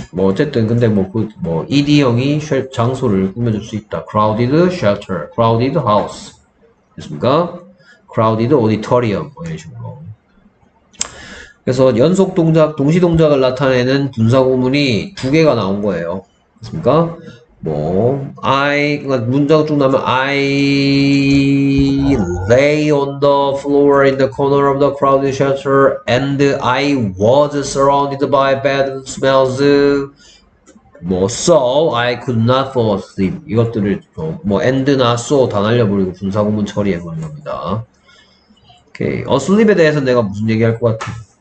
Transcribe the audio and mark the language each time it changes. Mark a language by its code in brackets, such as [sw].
[ko] 뭐 어쨌든 근데 뭐그뭐 ED형이 장소를 꾸며줄 수 있다. [en] Crowded shelter, crowded house. 됐습니까? Crowded auditorium [ko] 뭐 이런 식으로. 그래서 연속 동작, 동시 동작을 나타내는 분사구문이 두 개가 나온 거예요. 그렇습니까? [en] 뭐 I [ko] 그러니까 문장 쭉 나면 [en] I lay on the floor in the corner of the crowded shelter and I was surrounded by bad smells. 뭐 so I could not fall asleep. [ko] 이것들을 뭐 and나 so 다 날려버리고 분사구문 처리해 버린 겁니다. 오케이. asleep에 대해서 내가 무슨 얘기할 것 같아?